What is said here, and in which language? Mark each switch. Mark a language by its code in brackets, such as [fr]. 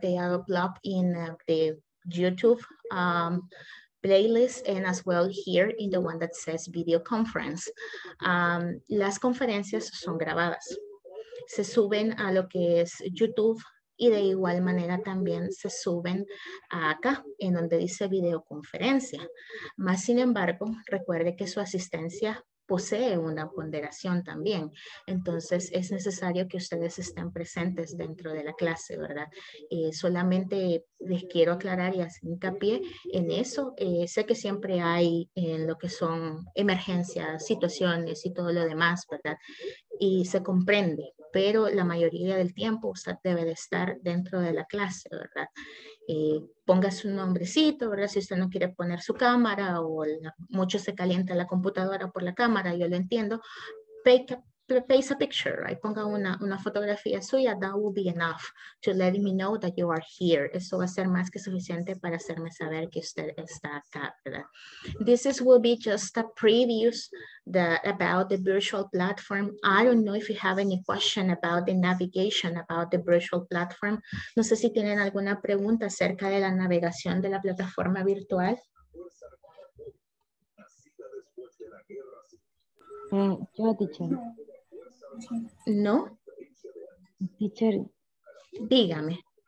[en] They are uploaded in the YouTube playlist and as well here in the one that says video conference. [es] Las conferencias son grabadas. Se suben a lo que es YouTube y de igual manera también se suben acá en donde dice video conferencia. Más sin embargo, recuerde que su asistencia posee una ponderación también. Entonces es necesario que ustedes estén presentes dentro de la clase, ¿verdad? Solamente les quiero aclarar y hacer hincapié en eso. Sé que siempre hay en lo que son emergencias, situaciones y todo lo demás, ¿verdad? Y se comprende, pero la mayoría del tiempo usted debe de estar dentro de la clase, ¿verdad? Ponga su nombrecito, ¿verdad? Si usted no quiere poner su cámara o mucho se calienta la computadora por la cámara, yo lo entiendo. [en] place a picture, right? Ponga una fotografía suya, that will be enough to let me know that you are here. [es] Eso va a ser más que suficiente para hacerme saber que usted está acá, ¿verdad? [en] This is, will be just a previews about the virtual platform. I don't know if you have any question about the navigation, about the virtual platform. [es] No sé si tienen alguna pregunta acerca de la navegación de la plataforma virtual. Yo, teacher. ¿No? Teacher. Dígame.